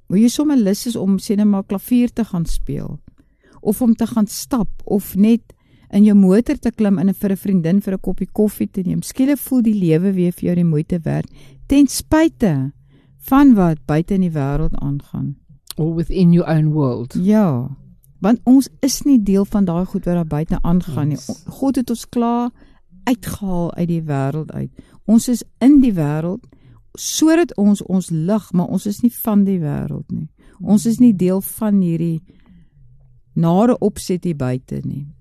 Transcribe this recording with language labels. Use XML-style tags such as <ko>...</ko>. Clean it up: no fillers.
<af>Hoe jy sommer lus is om, sê nou maar, klavier te gaan speel. Of om te gaan stap, of net in jou motor te klim en vir 'n vriendin vir 'n koppie koffie te neem. Skielik voel die lewe weer vir jou die moeite werd, ten spyte van wat buite in die wêreld aangaan.</af> <en>Or within your own world.</en> <af>Ja, want ons is nie deel van daai goed wat daar buite aangaan nie. God het ons klaar uitgehaal uit die wêreld uit. Ons is in die wêreld, sodat ons ons lig, maar ons is nie van die wêreld nie. Ons is nie deel van hierdie nare opset hier buite nie.</af>